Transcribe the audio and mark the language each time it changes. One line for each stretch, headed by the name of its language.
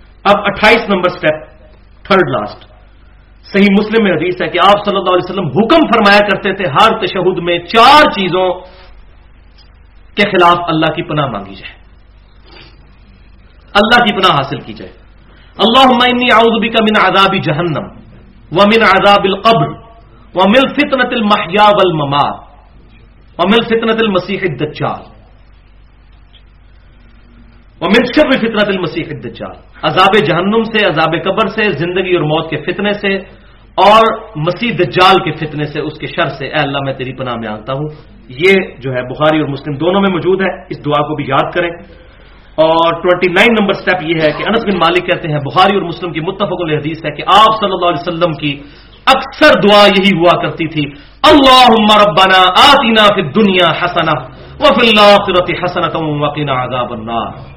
Urdu: اب 28 number step, 3rd last, صحیح مسلم میں حدیث ہے کہ آپ صلی اللہ علیہ وسلم حکم فرمایا کرتے تھے ہر تشہد میں 4 چیزوں کے خلاف اللہ کی پناہ مانگی جائے, اللہ کی پناہ حاصل کی جائے.
Arabic: اللہم انی اعوذ بک من عذاب جہنم ومن عذاب القبر ومن فتنة المحیا والممات ومن فتنة المسیح الدجال ومن شر فتنة المسیح الدجال.
Urdu: عذاب جہنم سے, عذاب قبر سے, زندگی اور موت کے فتنے سے, اور مسیح دجال کے فتنے سے, اس کے شر سے, اے اللہ میں تیری پناہ میں آتا ہوں. یہ جو ہے بخاری اور مسلم دونوں میں موجود ہے, اس دعا کو بھی یاد کریں. اور 29 نمبر سٹیپ یہ ہے کہ انس بن مالک کہتے ہیں, بخاری اور مسلم کی متفق علیہ حدیث ہے کہ آپ صلی اللہ علیہ وسلم کی اکثر دعا یہی ہوا کرتی تھی,
Arabic: اللہم ربنا آتینا فی الدنیا حسنہ وفی الآخرۃ حسنۃ وقنا عذاب النار.